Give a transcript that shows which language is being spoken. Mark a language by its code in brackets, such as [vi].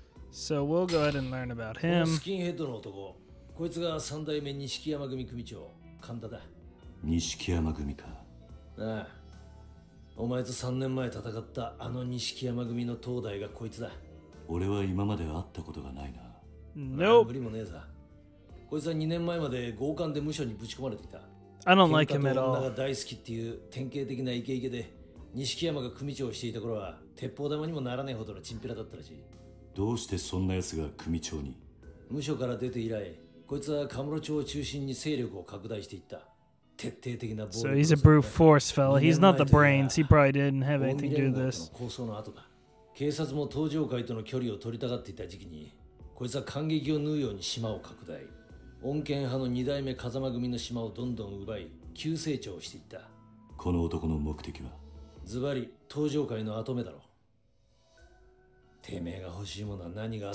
[en] So we'll go ahead and learn about him. [ja] スキンヘッドの男、こいつが三代目錦山組組長、神田だ。錦山組か。ああ。お前と3年前戦ったあの錦山組の当代がこいつだ。俺は今まで会ったことがないな。 [en] No. [ja] ああ、無理もねえさ。こいつは2年前まで強姦で無所にぶち込まれていた。 [en] I don't like him at all. [ja] 女が大好きっていう典型的なイケイケで。錦山が組長をしていた頃は鉄砲玉にもならないほどのチンピラだったらしい。どうしてそんな奴が組長に？無所から出て以来、こいつはカムロ町を中心に勢力を拡大していった。徹底的な暴力。 [en] So he's a brute force fella. He's not the brains. He probably didn't have anything to do with this. [ja] 構想の後だ。警察も東上界との距離を取りたがっていた時期に、こいつは感激を縫うように島を拡大。穏健派の二代目風間組の島をどんどん奪い、急成長していった。この男の目的は？ズバリ登場会の後目だろう。てめえが欲しいものは何が。